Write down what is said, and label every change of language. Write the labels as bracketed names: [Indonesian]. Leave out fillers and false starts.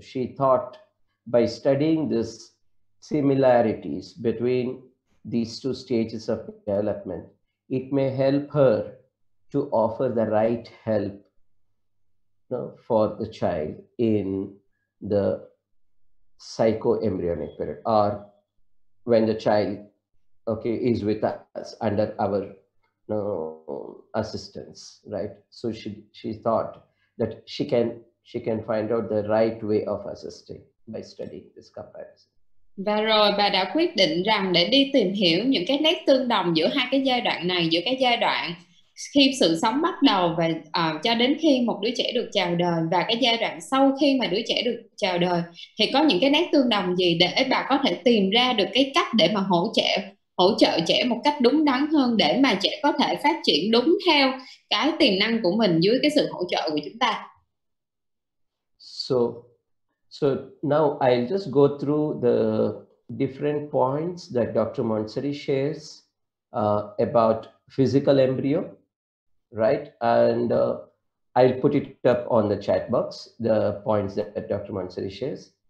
[English] She thought by studying this similarities between these two stages of development, it may help her to offer the right help, you know, for the child in the psychoembryonic period, or when the child, okay, is with us under our, you know, assistance, right? So she thought that she can find out the right way of assisting by studying this comparison. [Vietnamese] Và rồi bà đã quyết định rằng để đi tìm hiểu những cái nét tương đồng giữa hai cái giai đoạn này, giữa cái giai đoạn khi sự sống bắt đầu và cho đến khi một đứa trẻ được chào đời và cái giai đoạn sau khi mà đứa trẻ được chào đời thì có những cái nét tương đồng gì để bà có thể tìm ra được cái cách để mà hỗ trợ trẻ một cách đúng đắn hơn để mà trẻ có thể phát triển đúng theo cái tiềm năng của mình dưới cái sự hỗ trợ của chúng ta. [English] So now I'll just go through the different points that Dr. Montessori shares about physical embryo, right? And I'll put it up on the chat box, the points that Dr. Montessori shares.